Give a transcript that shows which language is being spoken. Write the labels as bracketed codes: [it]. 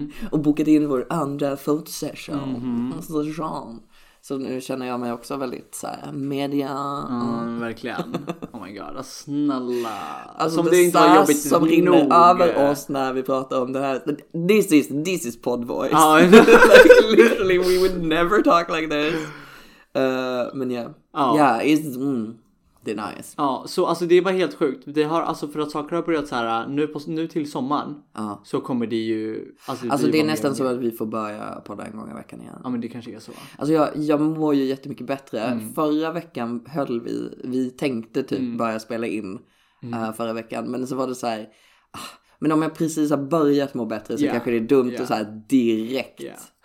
[sv] Och bokat in vår andra fotosession. Alltså, så nu känner jag mig också väldigt så här, media. Verkligen. [en] Oh my god, [sv] snälla. Alltså, som det är inte så som rinner över oss när vi pratar om det här. [en] This is pod voice. Like, literally, we would never talk like this. [sv] Men det är nice. Ja, så alltså det är bara helt sjukt. Det har alltså, för att saker har börjat så här nu till sommaren, så kommer det ju alltså det är nästan som att vi får börja på den gången i veckan igen. Ja, men det kanske är så. Alltså jag mår ju jättemycket bättre. Förra veckan höll vi tänkte typ börja spela in förra veckan, men så var det så här, men om jag precis har börjat må bättre så kanske det är dumt att så här direkt.